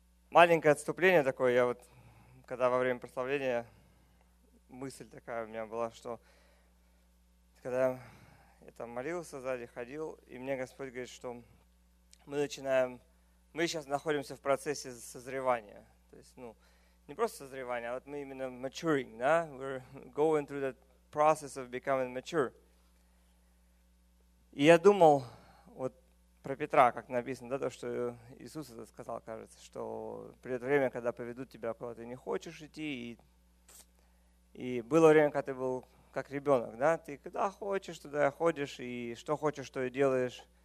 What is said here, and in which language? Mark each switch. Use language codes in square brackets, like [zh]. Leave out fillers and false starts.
[ru] Маленькое отступление такое, я вот, когда во время прославления, мысль такая у меня была, что когда я там молился сзади, ходил, и мне Господь говорит, что мы сейчас находимся в процессе созревания. То есть, ну, не просто созревания, а вот мы именно maturing, да? [en] We're going through that process of becoming mature. [ru] И я думал вот про Петра, как написано, да, то, что Иисус это сказал, кажется, что придет время, когда поведут тебя, куда ты не хочешь идти, и было время, когда ты был как ребенок, да, ты куда хочешь, туда ходишь, и что хочешь, то и делаешь.